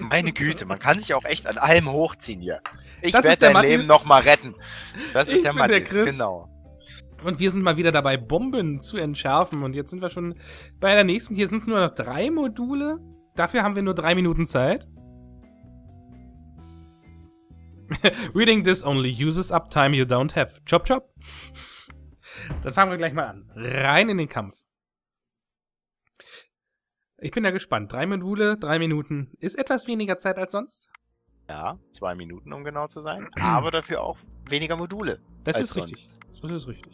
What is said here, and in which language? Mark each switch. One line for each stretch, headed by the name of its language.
German: Meine Güte, man kann sich auch echt an allem hochziehen hier. Ich werde dein Mathis. Leben nochmal retten. Das ist der Mathis, der Chris. Genau. Und wir sind mal wieder dabei, Bomben zu entschärfen. Und jetzt sind wir schon bei der nächsten. Hier sind es nur noch 3 Module. Dafür haben wir nur 3 Minuten Zeit.
English: Reading this only uses up time you don't have. Chop, chop.
German: Dann fangen wir gleich mal an. Rein in den Kampf. Ich bin ja gespannt. 3 Module, 3 Minuten. Ist etwas weniger Zeit als sonst? Ja, 2 Minuten, um genau zu sein. Aber dafür auch weniger Module. Das ist richtig. Das ist richtig.